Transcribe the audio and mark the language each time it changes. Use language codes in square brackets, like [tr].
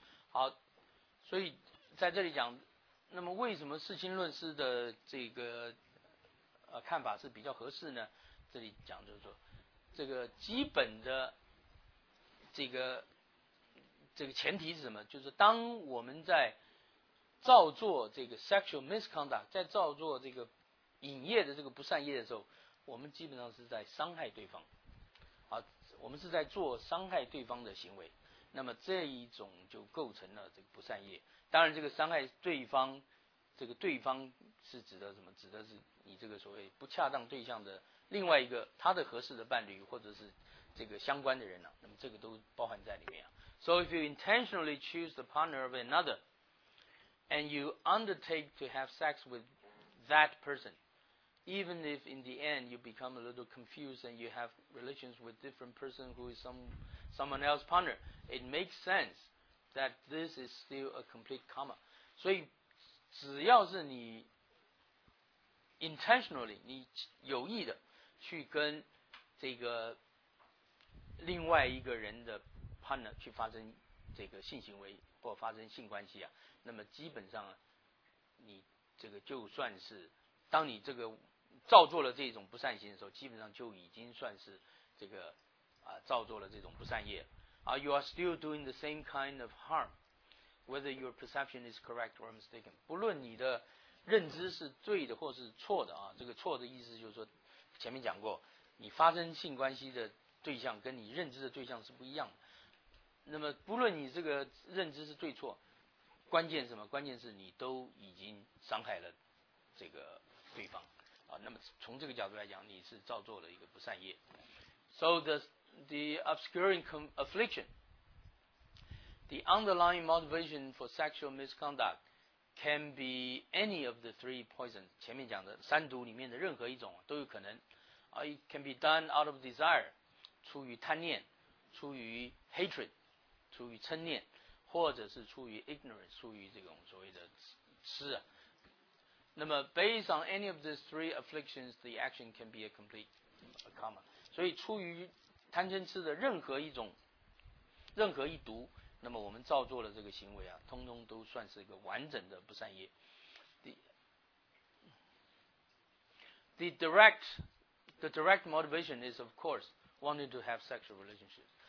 [zh] 好，所以在这里讲。那么为什么世亲论师的这个看法是比较合适呢？这里讲就是说，这个基本的这个前提是什么？就是当我们在造作这个 sexual misconduct， 在造作这个隐业的这个不善业的时候，我们基本上是在伤害对方，啊，我们是在做伤害对方的行为，那么这一种就构成了这个不善业。当然这个伤害对方，这个对方是指的什么？指的是你这个所谓不恰当对象的另外一个他的合适的伴侣或者是这个相关的人、啊、那么这个都包含在里面、 [en] 啊、So if you intentionally choose the partner of another and you undertake to have sex with that person, even if in the end you become a little confused and you have relations with different person who is someone else's partner, it makes senseThat this is still a complete karma. [zh] 所以只要是你 intentionally 你有意的去跟这个另外一个人的 partner 去发生这个性行为或发生性关系啊，那么基本上你这个就算是当你这个造作了这种不善行的时候，基本上就已经算是这个造作了这种不善业了。 [en] You are still doing the same kind of harm, whether your perception is correct or mistaken. [zh] 不论你的认知是对的或是错的啊，这个错的意思就是说，前面讲过，你发生性关系的对象跟你认知的对象是不一样的。那么，不论你这个认知是对错，关键是什么？关键是你都已经伤害了这个对方啊。那么从这个角度来讲，你是造作了一个不善业。 [en] So the obscuring affliction, the underlying motivation for sexual misconduct can be any of the three poisons. [zh] 前面讲的三毒里面的任何一种都有可能。 [en] It can be done out of desire, [zh] 出于贪念，出于 hatred, 出于嗔念，或者是出于 ignorance, 出于这种所谓的痴。 [en] 那么 based on any of these three afflictions, the action can be a complete karma. [zh] 所以出于贪嗔痴的任何一种任何一毒，那么我们造作了这个行为啊，通通都算是一个完整的不善业。 [en] The direct motivation is, of course, wanting to have sexual relationships.